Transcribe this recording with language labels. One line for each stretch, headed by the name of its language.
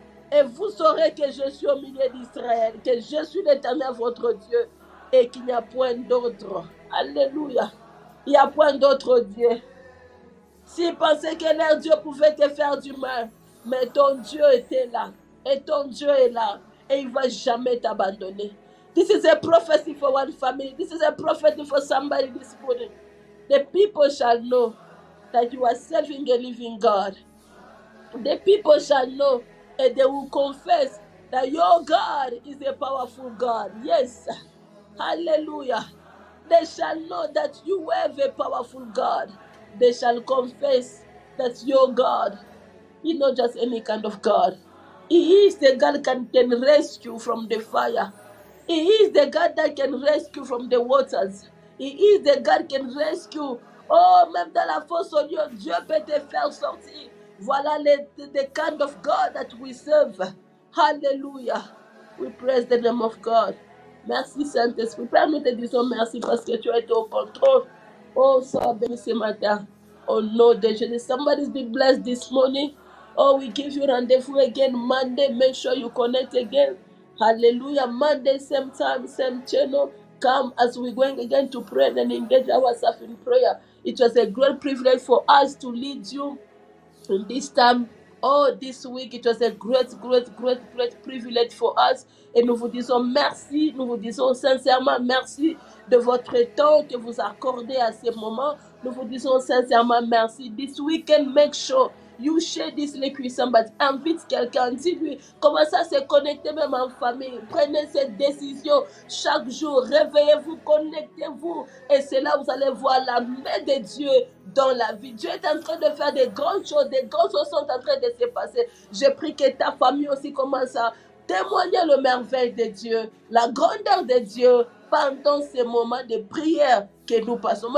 French: Et vous saurez que je suis au milieu d'Israël, que je suis l'Éternel votre Dieu, et qu'il n'y a point d'autre. Alléluia. Il n'y a point d'autre Dieu. S'il pensait que leur Dieu pouvait te faire du mal, mais ton Dieu était là, et ton Dieu est là, et il ne va jamais t'abandonner.
English: This is a prophecy for one family. This is a prophecy for somebody this morning. The people shall know that you are serving a living God. The people shall know and they will confess that your God is a powerful God. Yes. Hallelujah. They shall know that you have a powerful God. They shall confess that your God is not just any kind of God. He is the God that can rescue from the fire. He is the God that can rescue from the waters. He is the God that can rescue.
French: Oh, même dans la fosse au lion, Dieu peut te faire sortir.
English: Voilà the kind of God that we serve. Hallelujah. We praise the name of God.
French: Merci, Saint-Esprit. Permets-nous de dire merci parce que tu es au contrôle. Oh, sois béni ce matin. Au nom de Jésus.
English: Somebody's been blessed this morning. Oh, we give you rendezvous again Monday. Make sure you connect again. Hallelujah. Monday, same time, same channel. Come as we're going again to pray and engage ourselves in prayer. It was a great privilege for us to lead you in this time. Oh, this week, it was a great, great, great, great privilege for us.
French: Et nous vous disons merci. Nous vous disons sincèrement merci de votre temps que vous accordez à ce moment. Nous vous disons sincèrement merci.
English: This weekend, make sure you share this link with somebody.
French: Invite quelqu'un. Dis-lui, commencez à se connecter même en famille. Prenez cette décision chaque jour. Réveillez-vous, connectez-vous. Et c'est là que vous allez voir la main de Dieu dans la vie. Dieu est en train de faire des grandes choses. Des grandes choses sont en train de se passer. Je prie que ta famille aussi commence à témoigner le merveille de Dieu, la grandeur de Dieu pendant ces moments de prière que nous passons.